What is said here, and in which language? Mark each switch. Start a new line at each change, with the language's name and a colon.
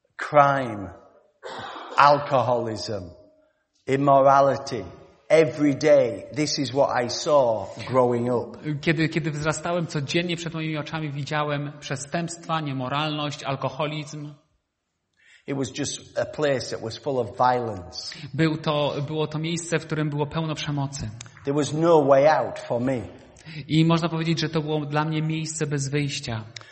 English: Crime, alcoholism, immorality. Every day this is what I saw growing up.
Polish: Kiedy wzrastałem, codziennie przed moimi oczami widziałem przestępstwa, niemoralność, alkoholizm.
English: It was just a place that was full of violence.
Polish: Było to miejsce, w którym było pełno przemocy.
English: There was no way out for me.
Polish: I można powiedzieć, że to było dla mnie miejsce bez wyjścia.